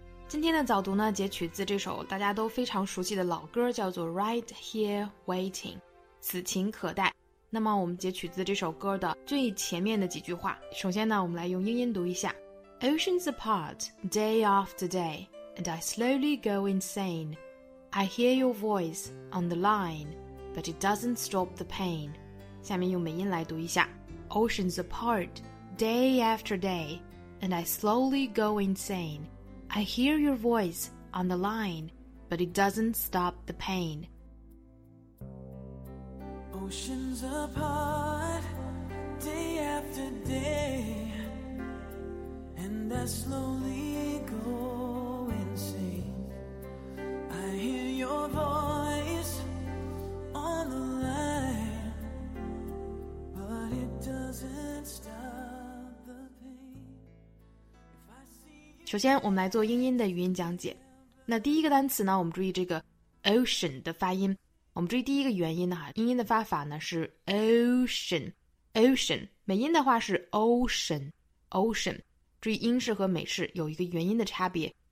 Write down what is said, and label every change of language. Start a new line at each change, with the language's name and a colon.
Chinese: Today's 早读呢截取自这首大家都非常熟悉的老歌，叫做 Right Here Waiting, 此情可待。那么我们截取自这首歌的最前面的几句话，首先呢我们来用英音读一下。
English: Oceans apart, day after day, and I slowly go insane. I hear your voice on the line, but it doesn't stop the pain.
Chinese: 下面用美音来读一下。
English: Oceans apart, day after day, and I slowly go insane. I hear your voice on the line, but it doesn't stop the pain. Oceans apart, day after day. And I slowly go insane. I hear your voice on the line, but it doesn't stop the pain.
Chinese: 首先我们来做英音的语音讲解。那第一个单词呢，我们注意这个 ocean 的发音。我们注意第一个元音呢，英音的发法呢是 ocean, ocean, 美音的话是 ocean, ocean。注意英式和美式有一个元音的差别。